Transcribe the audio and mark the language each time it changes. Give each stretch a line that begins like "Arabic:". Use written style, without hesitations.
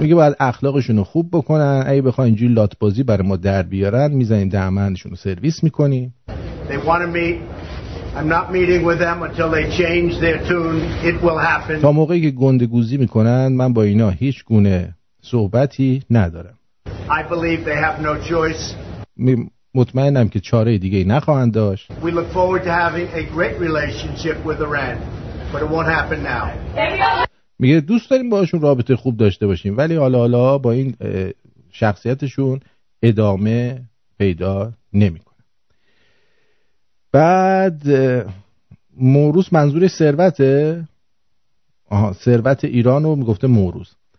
Persian: میگه باید اخلاقشون رو خوب بکنن، اگه بخوان اینجوری لات بازی برای ما در بیارن میذاریم دهنشون رو سرویس میکنیم.
English: They want to meet. I'm not meeting with them until they change their tune. It will happen.
Persian: تا موقعی که گندگوزی میکنن من با اینا هیچ گونه صحبتی ندارم.
English: I believe they have no choice.
Persian: مطمئنم که چاره دیگه ای نخواهند داشت.
English: We look forward to having a great relationship with Iran, but it won't happen now.
Persian: میگه دوست داریم باشون رابطه خوب داشته باشیم ولی حالا با این شخصیتشون ادامه پیدا نمیکنه. بعد موروث منظور ثروته؟ آها، ثروت ایران رو میگفته موروث.